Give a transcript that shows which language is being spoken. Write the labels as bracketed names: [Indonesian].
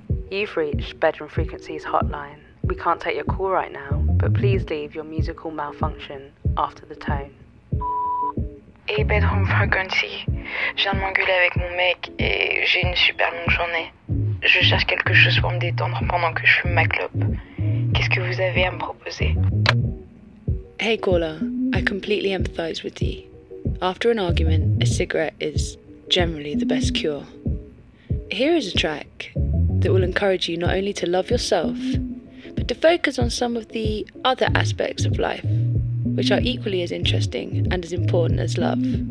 [English] You've reached Bedroom Frequencies Hotline. We can't take your call right now, but please leave your musical malfunction after the tone. [French] Hey Bedroom Frequency, je viens de m'engueuler avec mon mec et j'ai une super longue journée. Je cherche quelque chose pour me détendre pendant que je fume ma clope. Qu'est-ce que vous avez à me proposer? [English] Hey caller, I completely empathize with you. After an argument, a cigarette is generally the best cure. Here is a track that will encourage you not only to love yourself, but to focus on some of the other aspects of life, which are equally as interesting and as important as love.